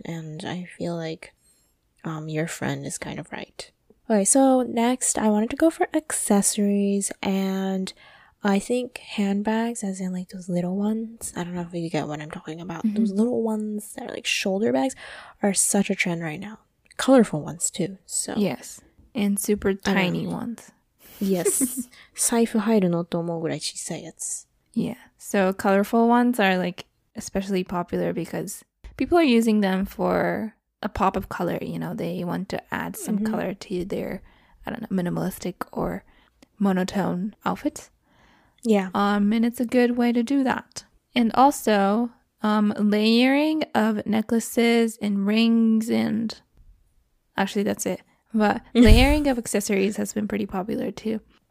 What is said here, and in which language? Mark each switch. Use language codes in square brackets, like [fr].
[en] And I feel like your friend is kind of right. Okay, so next, I wanted to go for accessories, and I think handbags, as in like those little ones. I don't know if you get what I'm talking about. Mm-hmm. Those little ones that are like shoulder bags are such a trend right now. Colorful ones too. So yes, and super tiny ones. [ja] Yes, 財布入るのと思うぐらい小さいやつ. [en] Yeah, so colorful ones are like especially popular because people are using them for a pop of color, you know, they want to add some color to their, I don't know, minimalistic or monotone outfits. Yeah. And it's a good way to do that. And also, layering of necklaces and rings and, actually that's it, but layering of accessories has been pretty popular too.